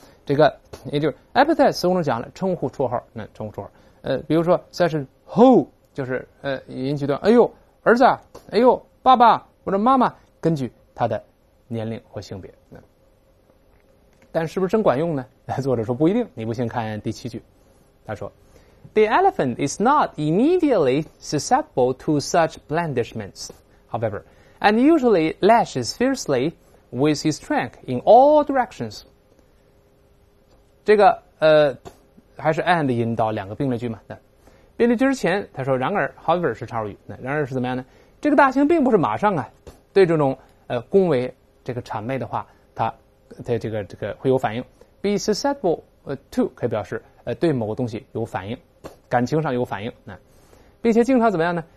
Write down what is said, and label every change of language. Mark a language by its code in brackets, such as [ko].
[zh] 这个也就是 epithet 词中讲了称呼绰号，那称呼绰号，比如说 session ho 就是引起的，哎呦儿子，哎呦爸爸或者妈妈，根据他的年龄或性别。但是不是真管用呢？作者说不一定，你不信看第七句。 [en] 他说 The elephant is not immediately susceptible to such blandishments. However, and usually lashes fiercely with his trunk in all directions. [zh] 这个还是 and 引导两个并列句嘛。并列句之前他说然而 however 是插入语。然而是怎么样呢？这个大象并不是马上啊对这种恭维这个谄媚的话，他这个会有反应。 Be susceptible to 可以表示对某个东西有反应，感情上有反应，并且经常怎么样呢？